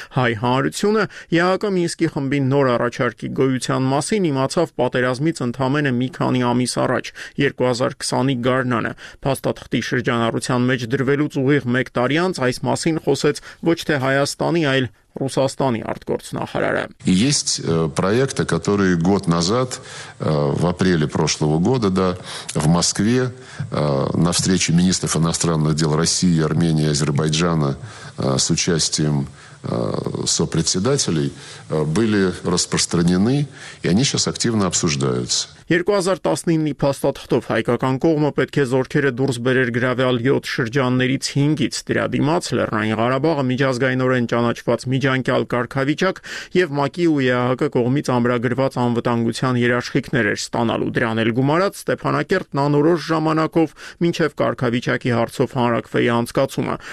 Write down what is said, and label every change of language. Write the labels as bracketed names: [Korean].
[Armenian] Հայ հանրությունը ԵԱԿ Մինսկի խմբի նոր առաջարկի գոյության մասին իմացավ պատերազմից ընդամենը մի քանի ամիս առաջ, 2020-ի գարնանը։ Փաստաթղթի շրջանառության մեջ դրվելուց ուղիղ մեկ տարի անց այս մասին խոսեց ոչ թե Հայաստանի, այլ Ռուսաստանի արտգործնախարարը։ [Russian] Есть проекты, которые год назад, в апреле прошлого года, да, в Москве, на встрече министров иностранных дел России, Армении, Азербайджана с участием сопредседателей были распространены, и они сейчас активно обсуждаются. [Armenian] 2019-ի փաստաթղթով հայկական կողմը պետք է զորքերը դուրս բերեր գրավյալ 7 շրջաններից 5-ից, դրադիմաց Լեռնային Ղարաբաղը միջազգայինորեն ճանաչված միջանկյալ կարգավիճակ և ՄԱԿ-ի ու ԵԱՀԿ կողմից ամրագրված անվտանգության երաշխիքներ էր ստանալու, դրան էլ գումարած Ստեփանակերտն անորոշ ժամանակով, մինչև կարգավիճակի հարցով հանրաքվեի անցկացումը,